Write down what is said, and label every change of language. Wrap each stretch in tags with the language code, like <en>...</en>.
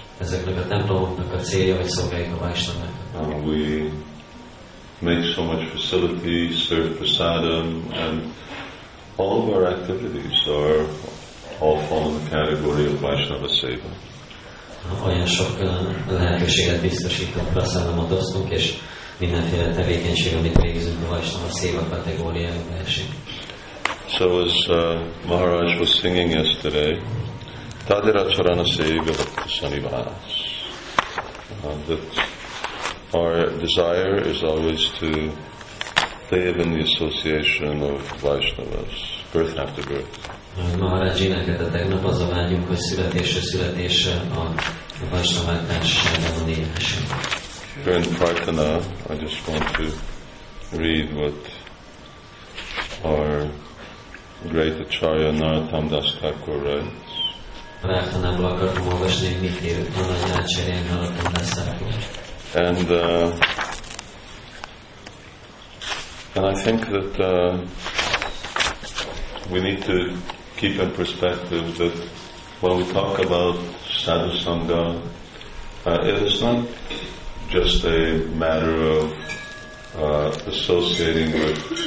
<hu>Ezeknek a templomoknak a célja, hogy szolgáljuk a Vaishnavákat.</hu> <en>We make so much facility, serve prasadam, and all of our activities are all fall in the category of Vaishnava Seva.</en> <hu>Olyan sok lehetőséget biztosítunk, prasadamot osztunk, és mindenféle tevékenység, amit végzünk, a Vaishnava Seva kategóriába esik.</hu> <en>So as Maharaj was singing yesterday, Tadira Charana Seva Sanivas, that our desire is always to live in the association of Vaishnavas, birth after birth.</en> <hu>Maharaj énekelte tegnap, az a vágyunk, hogy születésre születésre a Vaishnavák társaságában élhessünk.</hu> <en>Here in Pratana, I just want to read what our great Acharya Narottam Das Thakur writes.</en> <hu>Pratanából akartam olvasni, hogy mit ír a nagy Acharya Narottam Das Thakur.</hu> <en>And I think that we need to keep in perspective that when we talk about sadhu sangha, it is not just a matter of associating with</en>